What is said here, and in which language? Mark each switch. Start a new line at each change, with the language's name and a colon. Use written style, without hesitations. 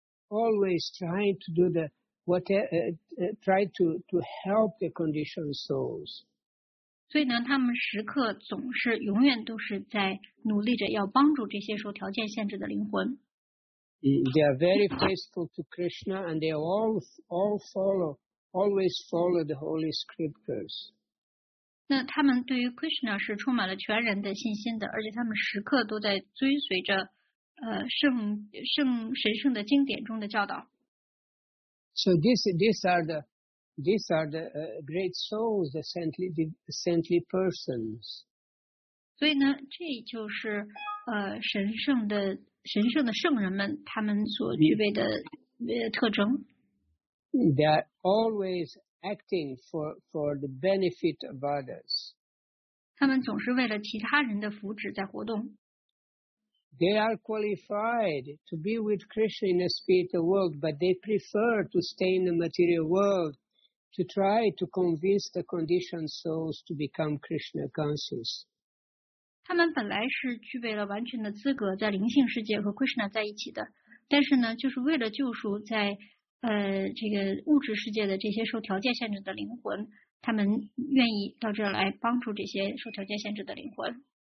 English: Always trying to do the whatever, try to help the conditioned souls.
Chinese: 所以呢，他们时刻总是永远都是在努力着要帮助这些受条件限制的灵魂。
English: They are very faithful to Krishna, and they always follow the holy scriptures.
Chinese: 那他们对于 Krishna 是充满了全然的信心的，而且他们时刻都在追随着神圣的经典中的教导。
English: So these are the great souls, the saintly persons.
Chinese: 所以呢，这就是神圣的圣人们，他们所具备的特征。
English: They are always acting for the benefit of others.
Chinese: 他们总是为了其他人的福祉在活动。
English: They are qualified to be with Krishna in the spiritual world, but they prefer to stay in the material world to try to convince the conditioned souls to become Krishna conscious.
Chinese: 他们本来是具备了完全的资格在灵性世界和 Krishna 在一起的，但是呢，就是为了救赎在这个物质世界的这些受条件限制的灵魂，他们愿意到这来帮助这些受条件限制的灵魂。